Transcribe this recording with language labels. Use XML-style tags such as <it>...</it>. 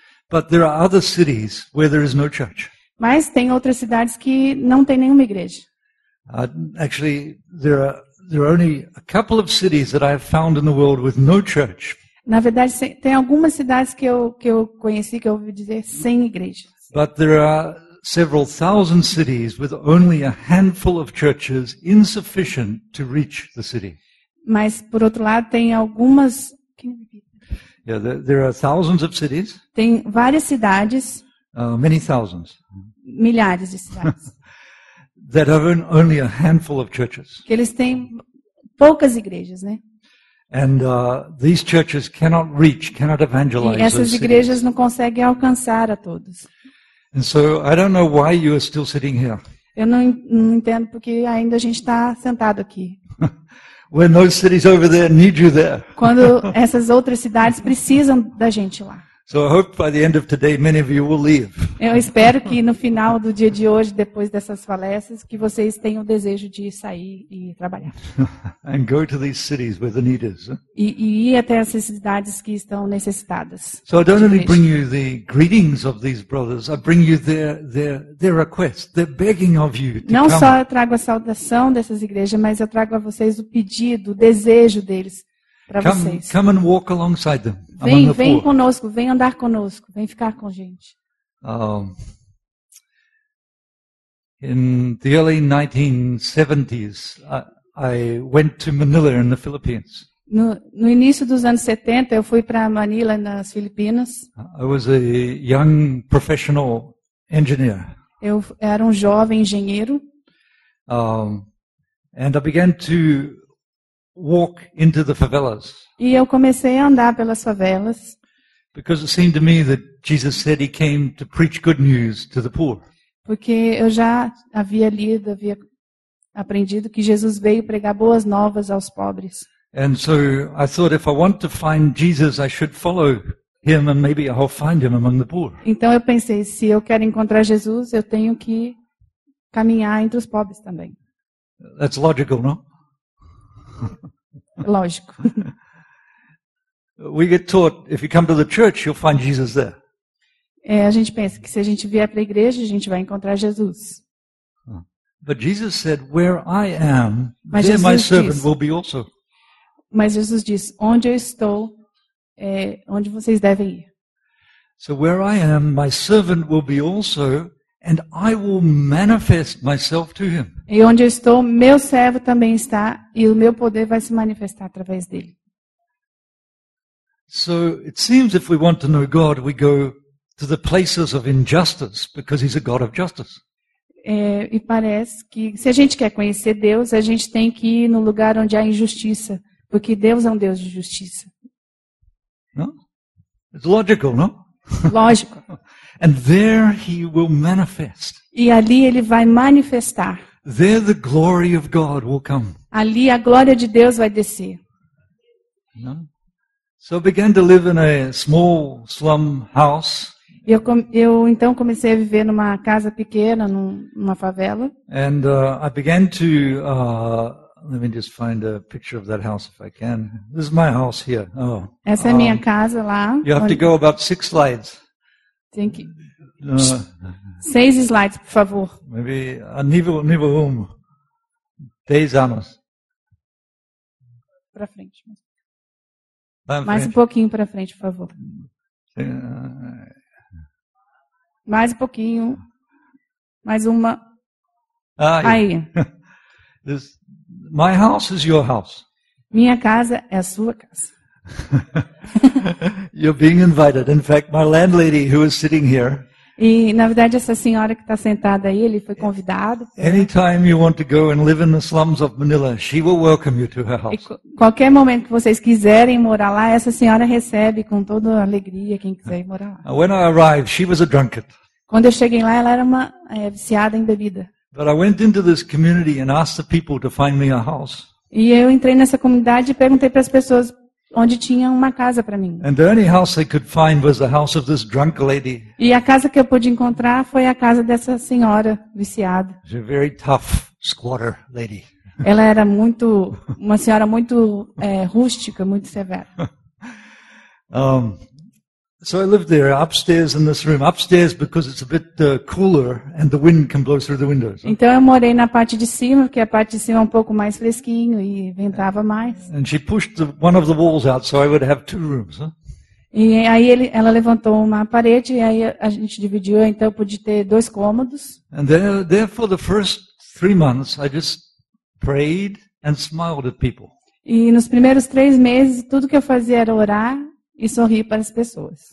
<en>But there are other cities where there is no church.</en> <pt>Mas tem outras cidades que não tem nenhuma igreja.</pt> <en>Actually, there are only a couple of cities that I have found in the world with no church.</en> <pt>Na verdade, tem algumas cidades que eu conheci, que eu ouvi dizer, sem igrejas.</pt> <en>But there are several thousand cities with only a handful of churches insufficient to reach the city.</en> <pt>Mas, por outro lado, tem algumas...</pt> <en>Yeah, there are thousands of cities.</en> <pt>Tem várias cidades.</pt> <en>Many thousands.</en> <pt>Milhares de cidades.</pt> <en>That have only a handful of churches.</en> <pt>Que eles têm poucas igrejas, né?</pt> <en>And these churches cannot reach, cannot evangelize.</en> <pt>E essas igrejas</pt> <en>cities.</en> <pt>Não conseguem alcançar a todos.</pt> <en>And so I don't know why you are still sitting here.</en> <pt>Eu não entendo porque ainda a gente está sentado aqui.</pt> <en>When those cities over there need you there.</en> <pt>Quando essas outras cidades precisam da gente lá.</pt> <en>So I hope by the end of today many of you will leave.</en> <pt>Eu espero que no final do dia de hoje, depois dessas palestras, que vocês tenham o desejo de sair e trabalhar.</pt> <en>And go to these cities where the need is.</en> <pt>E ir até essas cidades que estão necessitadas.</pt> <en>So I don't only bring you the greetings of these brothers, I bring you their request, their begging of you to come.</en> <pt>Não só eu trago a saudação dessas igrejas, mas eu trago a vocês o pedido, o desejo deles.</pt> <en>Come and walk alongside them.</en> <pt>Vem conosco, vem andar conosco, vem ficar com a gente.</pt> <en>In the early 1970s, I went to Manila in the Philippines.</en> <pt>No início dos anos 70, eu fui para Manila nas Filipinas.</pt> <en>I was a young professional engineer.</en> <pt>Eu era um jovem engenheiro.</pt> <en>And I began to walk into the favelas.</en> <pt>E eu comecei a andar pelas favelas.</pt> <en>Because it seemed to me that Jesus said he came to preach good news to the poor.</en> <pt>Porque eu já havia lido, havia aprendido que Jesus veio pregar boas novas aos pobres.</pt> <en>And so I thought if I want to find Jesus, I should follow him and maybe I'll find him among the poor.</en> <pt>Então eu pensei, se eu quero encontrar Jesus, eu tenho que caminhar entre os pobres também.</pt> <en>That's logical, no?</en> <pt>Lógico.</pt> <en>We get taught if you come to the church you'll find Jesus there.</en> <pt>É, a gente pensa que se a gente vier para a igreja a gente vai encontrar Jesus.</pt> <en>But Jesus said where I am there my servant will be also.</en> <pt>Mas Jesus diz onde eu estou é onde vocês devem ir.</pt> <en>So where I am my servant will be also and I will manifest myself to him.</en> <pt>E onde eu estou, meu servo também está e o meu poder vai se manifestar através dele.</pt> <en>So it seems if we want to know God, we go to the places of injustice because he's a God of justice.</en> <pt>E parece que se a gente quer conhecer Deus, a gente tem que ir no lugar onde há injustiça, porque Deus é um Deus de justiça.</pt> <en>No? It's logical, no?</en> <pt>Lógico.</pt> <en>And there he will manifest.</en> <pt>E ali ele vai manifestar.</pt> <en>There the glory of God will come.</en> <pt>Ali a glória de Deus vai descer.</pt> <en>No? So I began to live in a small slum house.</en> <pt>Eu então comecei a viver numa casa pequena, numa favela.</pt> <en>And I began to let me just find a picture of that house if I can. This is my house here. Oh.</en> <pt>Essa é minha casa lá.</pt> <en>You have to go about 6 slides. Thank you. 6 slides,</en> <pt>por favor.</pt> <en>Maybe</en> <pt>a nível 1. 10 anos. Para frente. Mais um pouquinho para frente, por favor. Mais um pouquinho. Mais uma. Aí.</pt> <en>This, my house is your house.</en> <pt>Minha casa é a sua casa.</pt> <en>You're being invited. In fact, my landlady who is sitting here</en> <pt>E na verdade essa senhora que está sentada aí, ele foi convidado.</pt> <en>Anytime you want to go and live in the slums of Manila, she will welcome you to her house.</en> <pt>Qualquer momento que vocês quiserem morar lá, essa senhora recebe com toda alegria quem quiser morar lá.</pt> <en>When I arrived, she was a drunkard.</en> <pt>Quando eu cheguei lá, ela era uma viciada em bebida.</pt> <en>But I went into this community and asked the people to find me a house.</en> <pt>E eu entrei nessa comunidade e perguntei para as pessoas onde tinha uma casa para mim.</pt> <en>And the only house I could find was the house of this drunk lady.</en> <pt>E a casa que eu pude encontrar foi a casa dessa senhora viciada.</pt> <en>She's a very tough squatter lady.</en> <pt>Ela era muito uma senhora muito rústica, muito severa.</pt> <en>So I lived there upstairs in this room. Upstairs because it's a bit cooler and the wind can blow through the windows.</en> <pt>Então eu morei na parte de cima, porque a parte de cima é um pouco mais fresquinho e ventava mais.</pt> <en>And she pushed one of the walls out so I would have two rooms.</en> <pt>E aí ela levantou uma parede e aí a gente dividiu, então eu pude ter dois cômodos.</pt> <en>And there for the first 3 months I just prayed and smiled at people.</en> <pt>E nos primeiros 3 meses tudo que eu fazia era orar e sorrir para as pessoas.</pt>